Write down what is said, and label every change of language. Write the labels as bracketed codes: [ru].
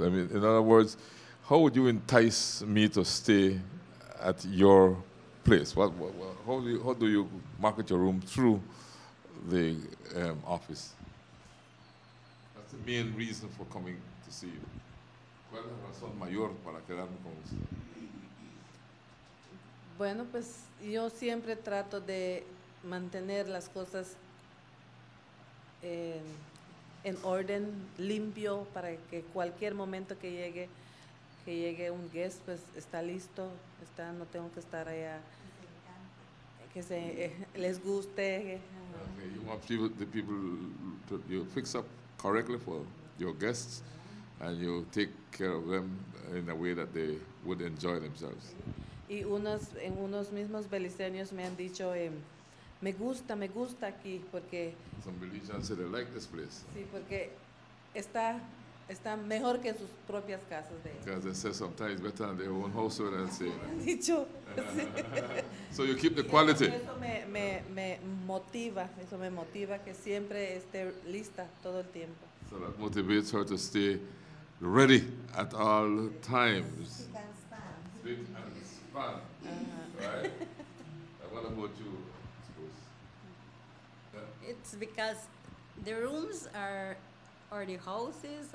[en] I mean, in other words, how would you entice me to stay at your place? How do you market your room through the office? That's the main reason for coming to see you. [es] ¿Cuál es la razón mayor para quedarme con usted? Bueno, pues yo siempre trato de mantener las cosas en orden, limpio, para que cualquier momento que llegue un guest, pues está listo, está, no tengo que estar allá. Que se les guste. [en] Okay, you want the people to fix up correctly for your guests, and you take care of them in a way that they would enjoy themselves. [es] Y unos mismos beliceños me han dicho, me gusta aquí, porque... [en] Some Belizeans say they like this place. [es] Sí, porque está mejor que sus propias casas de... [en] Because they say sometimes better than their own house, what I'm saying. [es] Dicho. [en] So you keep the quality. [es] Eso me motiva que siempre esté lista todo el tiempo. [en] So that motivates her to stay ready at all times. She can stand. Fun, uh-huh. Right? What about you, I suppose? Yeah. It's because the rooms are the houses.